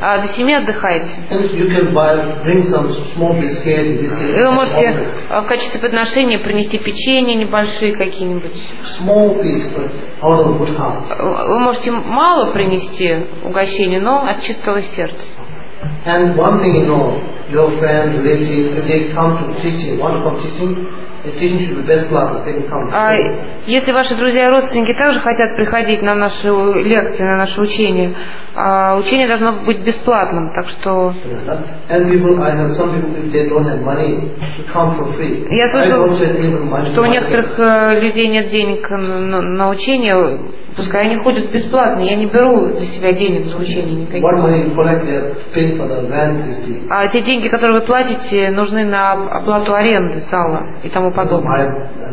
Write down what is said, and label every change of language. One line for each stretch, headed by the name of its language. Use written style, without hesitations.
Russian: А до 7 отдыхаете. И вы можете в качестве подношения принести печенье небольшие какие-нибудь.
English: Small piece, but out of good heart.
Russian: Вы можете мало принести угощения, но от чистого сердца.
English: And one thing you know, your friend, relative, if they come to teaching, want to come teaching, the teaching should be best blood, they can come.
Russian: Если ваши друзья и родственники также хотят приходить на наши лекции, на наше учение, учение должно быть бесплатным, так что.
English: And people, I have some people, if they don't have money, they come for free.
Russian: Я слышал, что у некоторых людей нет денег на учение. Пускай они ходят бесплатно, я не беру для себя денег за учение никаких. А те деньги, которые вы платите, нужны на оплату аренды, сала и тому подобное.